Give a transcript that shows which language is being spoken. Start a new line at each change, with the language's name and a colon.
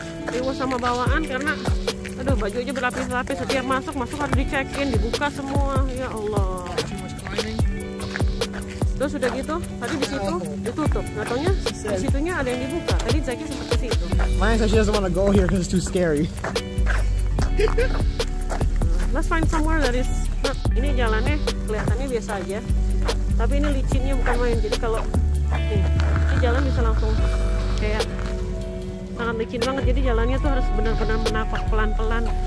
Indonesian: Dewa sama bawaan karena aduh baju aja berlapis-lapis, setiap masuk harus di-check-in, dibuka semua. Ya Allah. Terus sudah gitu, tadi di situ ditutup. Katanya di situnya ada yang dibuka. Tadi Zaki seperti situ.
English: Maya says she doesn't want to go here because it's too scary. Let's find somewhere that is.
Indonesian: Nah, ini jalannya kelihatannya biasa aja. Tapi ini licinnya bukan main. Jadi kalau ini jalan bisa langsung kayak sangat licin banget. Jadi jalannya tuh harus benar-benar menapak pelan-pelan.